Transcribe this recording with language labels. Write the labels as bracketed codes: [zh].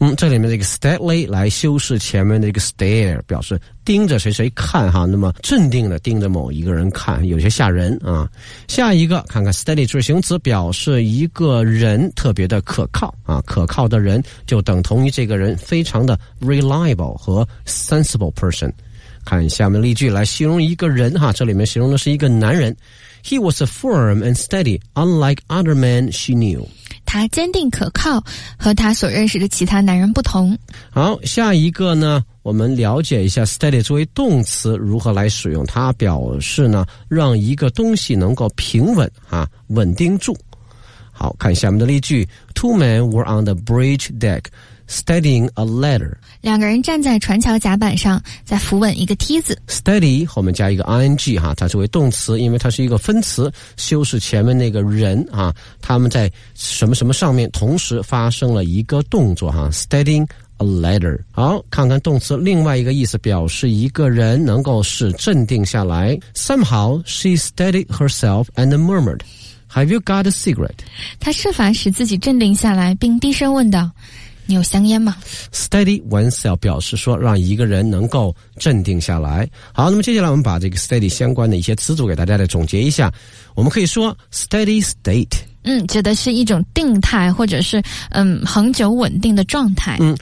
[zh] 这里面这个 steadily 来修饰前面的这个 stare， 表示盯着谁谁看哈，那么镇定地盯着某一个人看，有些吓人啊。下一个看看 steady 助形词，表示一个人特别的可靠啊，可靠的人就等同于这个人非常的 reliable 和 sensible person。看下面例句来形容一个人哈，这里面形容的是一个男人。 [en] He was firm and steady, unlike other men she knew. [zh] 他坚定可靠，和他所认识的其他男人不同。好，下一个呢，我们了解一下 steady 作为动词如何来使用，它表示呢，让一个东西能够平稳啊，稳定住。好，看下面的例句 [en] ，Two men were on the bridge deck. Steadying a ladder， [zh] 两个人站在船桥甲板上，在扶稳一个梯子。 Steady 后面加一个 ing 哈，它作为动词，因为它是一个分词，修饰前面那个人啊。他们在什么什么上面同时发生了一个动作哈 ， [en] steadying a ladder。 [zh] 好，看看动词另外一个意思，表示一个人能够使镇定下来。 [en] Somehow she steadied herself and murmured, "Have you got a cigarette?" [zh] 她设法使自己镇定下来，并低声问道。你有香烟吗？ Steady oneself 表示说让一个人能够镇定下来。好，那么接下来我们把这个 steady 相关的一些词组给大家来总结一下。我们可以说 steady state，指的是一种定态或者是恒久稳定的状态。